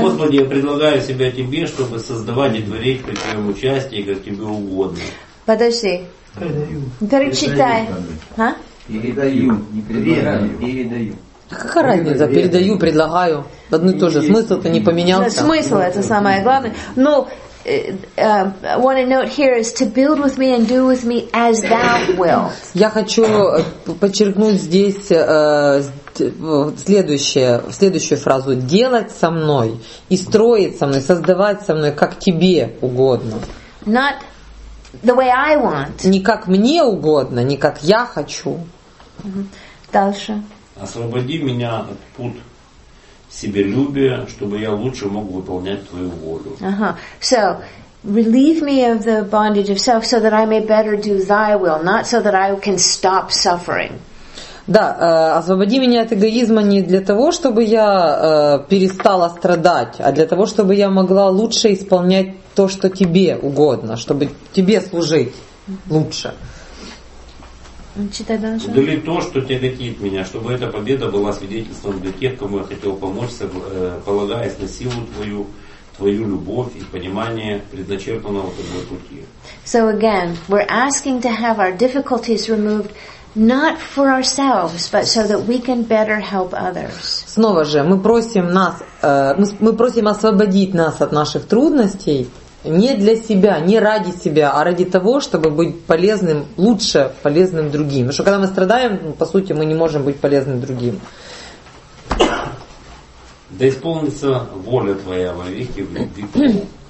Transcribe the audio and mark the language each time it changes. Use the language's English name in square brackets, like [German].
[Russian] Господи, я предлагаю себя тебе, чтобы создавать и творить при твоем участии, как тебе угодно. Подожди. Передаю. Перечитай. Передаю. Передаю. Да какая разница? Передаю, предлагаю. Одно и то же. Смысл-то не поменялся. Смысл — это самое главное. [English] Но what I note here is to build with me and do with me as thou wilt. [Russian] Я хочу подчеркнуть здесь следующую фразу. Делать со мной и строить со мной, создавать со мной, как тебе угодно. [English] Not the way I want. [Russian] Не как мне угодно, не как я хочу. Дальше. Освободи меня от пут себелюбия, чтобы я лучше мог выполнять твою волю. Ага. [English] So, relieve me of the bondage of self, so that I may better do thy will, not so that I can stop suffering. [Russian] Да, освободи меня от эгоизма не для того, чтобы я перестала страдать, а для того, чтобы я могла лучше исполнять то, что тебе угодно, чтобы тебе служить лучше. Удали то, что тяготит меня, чтобы эта победа была свидетельством для тех, кому я хотел помочь, полагаясь на силу твою, твою любовь и понимание предначертанного тобой пути. [English] So again, we're asking to have our difficulties removed. Not for ourselves, but so that we can better help others. [Russian] Снова же, мы просим нас, мы просим освободить нас от наших трудностей не для себя, не ради себя, а ради того, чтобы быть полезным, лучше полезным другим. Потому что когда мы страдаем, по сути, мы не можем быть полезным другим. Да исполнится воля твоя во веки, в любви.